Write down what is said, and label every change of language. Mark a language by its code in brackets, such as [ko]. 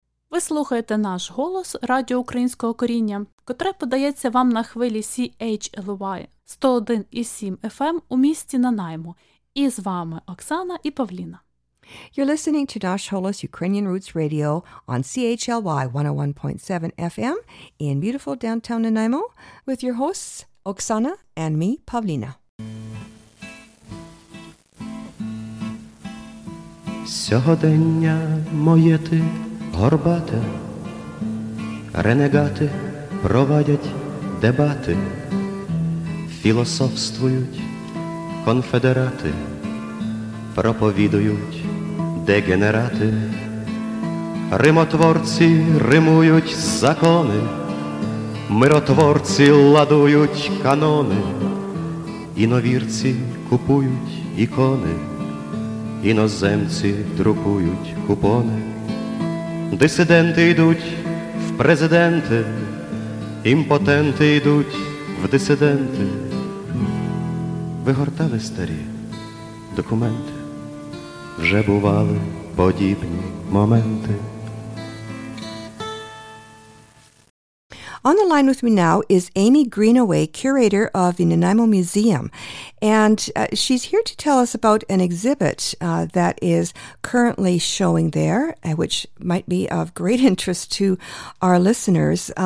[uk] Ви слухаєте наш голос Радіо Українського коріння, котре подається вам на хвилі CHLY 101.7 FM у місті Нанаймо. І з вами Оксана і Павліна. [en] You're listening to Dash Holos Ukrainian Roots Radio on CHLY 101.7 FM in beautiful downtown Nanaimo with your hosts Оксана and me, Павліна. [uk] Сьогодення моє ти горбате, ренегати проводять дебати, філософствують конфедерати, проповідують дегенерати. Римотворці римують закони, миротворці ладують канони, іновірці купують ікони, іноземці друкують купони. Дисиденти йдуть в президенти, імпотенти йдуть в дисиденти. Ви гортали старі документи, вже бували подібні моменти. [en] On the line with me now is Amy Greenaway, curator of the Nanaimo Museum, and she's here to tell us about an exhibit that is currently showing there, which might be of great interest to our listeners.